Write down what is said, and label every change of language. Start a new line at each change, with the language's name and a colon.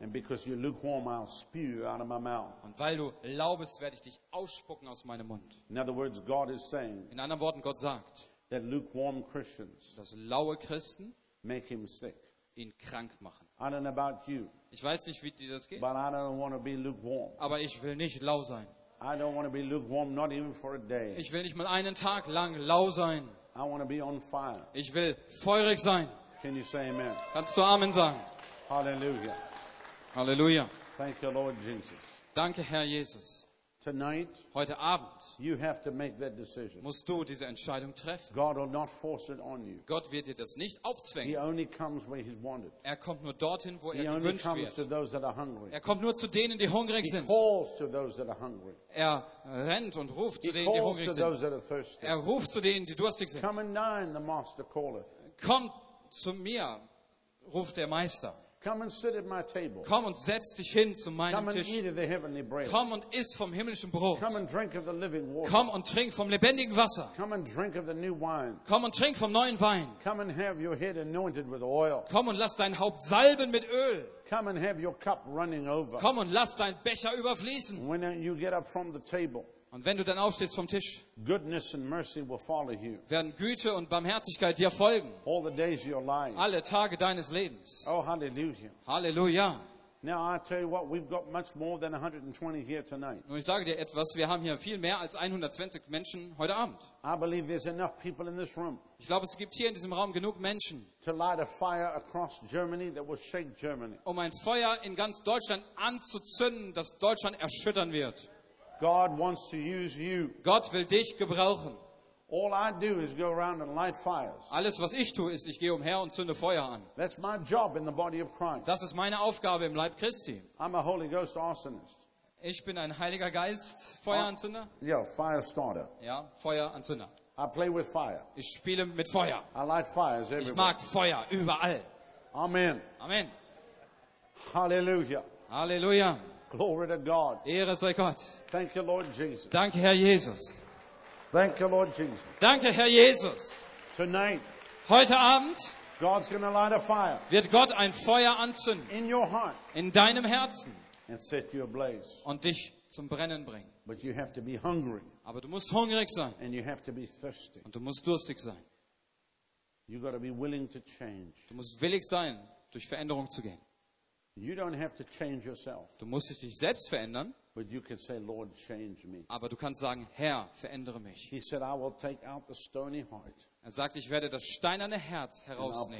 English: And because you're lukewarm, I'll spew you out of my mouth.
German: Und weil du lau bist, werde ich dich ausspucken aus meinem Mund.
English: In other words, God is saying.
German: In anderen Worten, Gott sagt.
English: That lukewarm Christians.
German: Dass laue Christen.
English: Make him sick.
German: Ihn krank machen.
English: I don't know about you.
German: Ich weiß nicht, wie dir das geht.
English: But I don't want to be lukewarm.
German: Aber ich will nicht lau sein.
English: I don't want to be lukewarm, not even for a day.
German: Ich will nicht mal einen Tag lang lau sein.
English: I want to be on fire.
German: Ich will feurig sein.
English: Can you say amen?
German: Kannst du Amen sagen? Hallelujah. Hallelujah.
English: Thank you, Lord Jesus.
German: Danke, Herr Jesus.
English: Tonight,
German: heute Abend,
English: you have to make that decision.
German: Musst du diese Entscheidung treffen.
English: God will not force it on you.
German: Gott wird dir das nicht aufzwängen.
English: He only comes where he's wanted.
German: Er kommt nur dorthin, wo
English: he
German: er
English: only
German: gewünscht
English: comes To those that are hungry.
German: Er kommt nur zu denen, die hungrig
English: he
German: sind.
English: Calls to those that are hungry.
German: Er rennt und ruft
English: he
German: zu denen, die hungrig
English: to
German: sind.
English: Those that are thirsty.
German: Er ruft zu denen, die durstig sind.
English: Come and dine, the master calleth.
German: Kommt zu mir, ruft der Meister.
English: Come and sit at my table.
German: Komm und setz dich hin zu meinem
English: come and
German: Tisch.
English: Eat of the heavenly bread.
German: Komm und iss vom himmlischen Brot.
English: Come and drink of the living water.
German: Komm und trink vom lebendigen Wasser.
English: Come and drink of the new wine.
German: Komm und trink vom neuen Wein.
English: Come and have your head anointed with oil.
German: Komm und lass dein Haupt salben mit Öl.
English: Come and have your cup running over.
German: Komm und lass dein Becher überfließen.
English: When you get up from the table.
German: Und wenn du dann aufstehst vom Tisch,
English: goodness and mercy will follow you.
German: Werden Güte und Barmherzigkeit dir folgen.
English: All the days of your life.
German: Alle Tage deines Lebens. Oh, hallelujah. Halleluja.
English: Now I tell you what, we've got much more than 120 here tonight.
German: Und ich sage dir etwas, wir haben hier viel mehr als 120 Menschen heute Abend.
English: I believe there's enough people in this room.
German: Ich glaube, es gibt hier in diesem Raum genug Menschen.
English: To light a fire across Germany that will shake Germany.
German: Um ein Feuer in ganz Deutschland anzuzünden, das Deutschland erschüttern wird.
English: God wants to use you.
German: Gott will dich gebrauchen.
English: All I do is go around and light fires.
German: Alles was ich tue ist, ich gehe umher und zünde Feuer an.
English: That's my job in the body of Christ.
German: Das ist meine Aufgabe im Leib Christi.
English: I'm a Holy Ghost arsonist.
German: Ich bin ein Heiliger Geist Feueranzünder.
English: Yeah, fire starter.
German: Ja, Feueranzünder.
English: I play with fire.
German: Ich spiele mit Feuer.
English: I light fires everywhere.
German: Ich mag Feuer überall. Amen. Amen. Hallelujah. Hallelujah.
English: Glory to God.
German: Ehre sei Gott.
English: Thank you, Lord Jesus.
German: Danke, Herr Jesus.
English: Thank you, Lord Jesus.
German: Danke, Herr Jesus.
English: Tonight.
German: Heute Abend.
English: God's going to light a fire.
German: Wird Gott ein Feuer anzünden.
English: In your heart.
German: In deinem Herzen.
English: And set you ablaze.
German: Und dich zum Brennen bringen.
English: But you have to be hungry.
German: Aber du musst hungrig sein.
English: And you have to be thirsty.
German: Und du musst durstig sein.
English: You got to be willing to change.
German: Du musst willig sein, durch Veränderung zu gehen.
English: You don't have to change yourself.
German: Du musst dich selbst verändern.
English: But you can say, Lord, change me.
German: Aber du kannst sagen, Herr, verändere mich.
English: He said, I will take out the stony heart.
German: Er sagt, ich werde das steinerne Herz herausnehmen.